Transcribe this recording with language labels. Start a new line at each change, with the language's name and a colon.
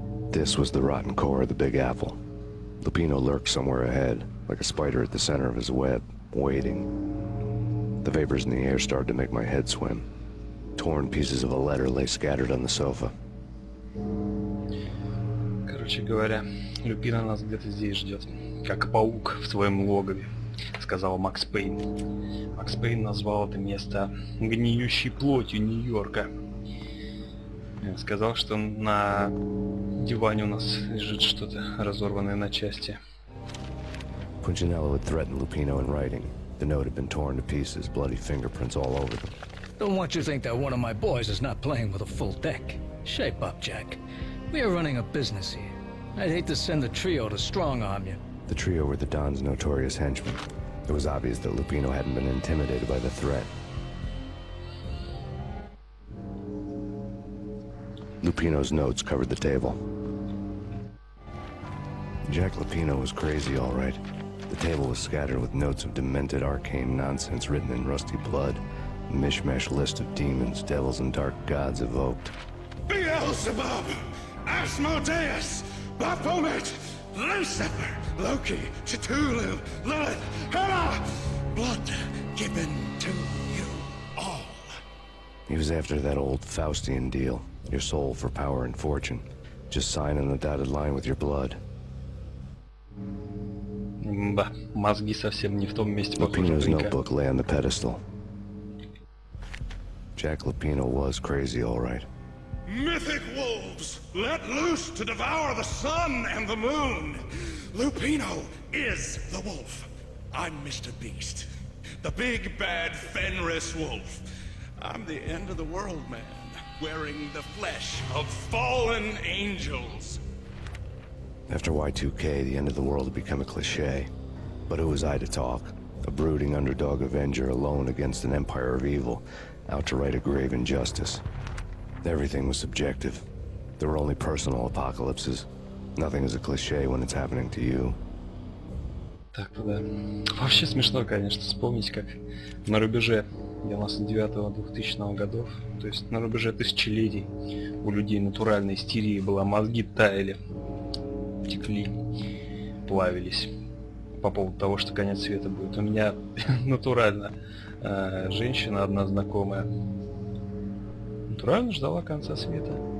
English: This was the rotten core of the Big Apple. Lupino lurked somewhere ahead, like a spider at the center of his web, waiting. The vapors in the air started to make my head swim. Torn pieces of a letter lay scattered on the sofa.
Russian: Короче говоря, Люпина нас где-то здесь ждет, как паук в своем логове, сказал Макс Пейн. Макс Пейн назвал это место гниющей плотью Нью-Йорка. Сказал, что на диване у нас лежит что-то разорванное на части.
English: Пунчинелло had threatened Lupino in writing. The note had been torn to pieces, bloody fingerprints all over them. Don't want you to think that one of my boys is not playing with a full deck. Shape up, Jack. We are running a business here. I'd hate to send the trio to strong-arm you. The trio were the Don's notorious henchmen. It was obvious that Lupino hadn't been intimidated by the threat. Lupino's notes covered the table. Jack Lupino was crazy, all right. The table was scattered with notes of demented arcane nonsense written in rusty blood. A mishmash list of demons, devils, and dark gods evoked. Beelzebub! Asmodeus! Baphomet! Lucifer! Loki! Cthulhu! Lilith! Hela! Blood given to you all! He was after that old Faustian deal. Your soul for power and fortune. Just sign on the dotted line with your blood.
Russian: Да, мозги совсем не в том месте, похоже.
English: Lupino's notebook lay on the pedestal. Jack Lupino was crazy, all right. Mythic wolves, let loose to devour the sun and the moon. Lupino is the wolf. I'm Mr. Beast. The big bad Fenris Wolf. I'm the end of the world man, wearing the flesh of fallen angels. After Y2K, the end of the world had become a cliche. But who was I to talk? A brooding underdog Avenger alone against an empire of evil, out to right a grave injustice. Everything was subjective. There were only personal apocalypses. Nothing is a cliche when it's happening to you.
Russian: Так, да. Вообще смешно, конечно, вспомнить, как на рубеже 99-2000 годов, то есть на рубеже тысячелетий, у людей натуральной истерии было, мозги таяли, текли, плавились по поводу того, что конец света будет. У меня натурально женщина одна знакомая натурально ждала конца света.